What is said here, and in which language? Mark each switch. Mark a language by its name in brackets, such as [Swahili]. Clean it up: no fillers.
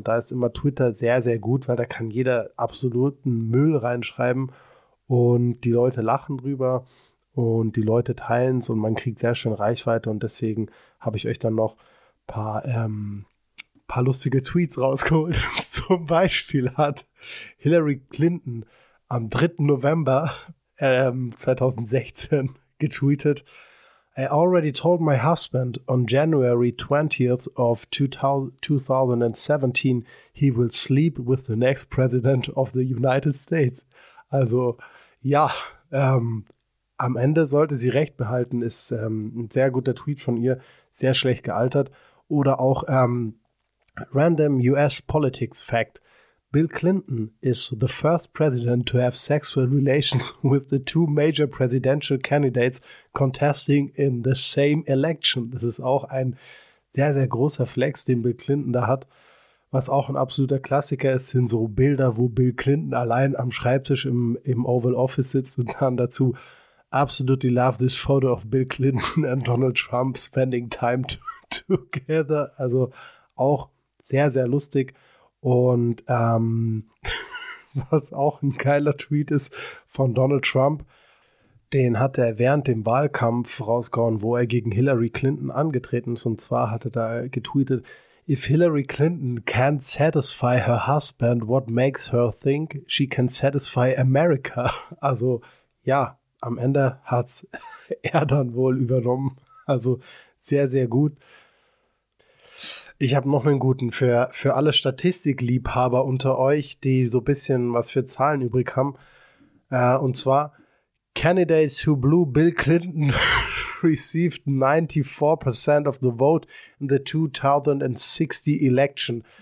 [German] Und da ist immer Twitter sehr, sehr gut, weil da kann jeder absoluten Müll reinschreiben und die Leute lachen drüber und die Leute teilen es und man kriegt sehr schön Reichweite. Und deswegen habe ich euch dann noch ein paar lustige Tweets rausgeholt. Zum Beispiel hat Hillary Clinton am 3. November 2016 getweetet, [English] I already told my husband on January 20th of 2017 he will sleep with the next president of the United States. [German] Also ja, am Ende sollte sie recht behalten, ist ein sehr guter Tweet von ihr, sehr schlecht gealtert. Oder auch [English] random US politics fact. Bill Clinton is the first president to have sexual relations with the two major presidential candidates contesting in the same election. [German] Das ist auch ein sehr, sehr großer Flex, den Bill Clinton da hat. Was auch ein absoluter Klassiker ist, sind so Bilder, wo Bill Clinton allein am Schreibtisch im Oval Office sitzt und dann dazu [English] absolutely love this photo of Bill Clinton and Donald Trump spending time together. [German] Also auch sehr, sehr lustig. Und was auch ein geiler Tweet ist von Donald Trump. Den hat er während dem Wahlkampf rausgehauen, wo er gegen Hillary Clinton angetreten ist. Und zwar hatte da getweetet: [English] If Hillary Clinton can't satisfy her husband, what makes her think she can satisfy America? [German] Also ja, am Ende hat's er dann wohl übernommen. Also sehr, sehr gut. Ich habe noch einen guten für alle Statistikliebhaber unter euch, die so ein bisschen was für Zahlen übrig haben. Und zwar: [English] Candidates who blew Bill Clinton received 94% of the vote in the 2016 election.